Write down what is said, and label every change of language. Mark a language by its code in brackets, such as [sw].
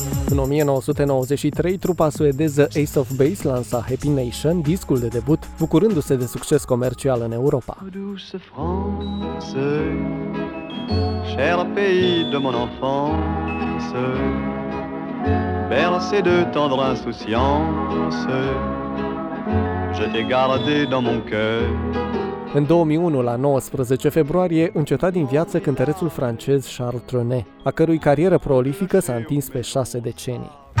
[ro] În 1993, trupa suedeză Ace of Base lansa Happy Nation, discul de debut, bucurându-se de succes comercial în Europa. [fr] Douce France, cher pays de mon enfance, bercé de tendre insouciance, je t'ai gardé dans mon cœur. [ro] În 2001, la 19 februarie, înceta din viață cântărețul francez Charles Trenet, a cărui carieră prolifică s-a întins pe 6 decenii.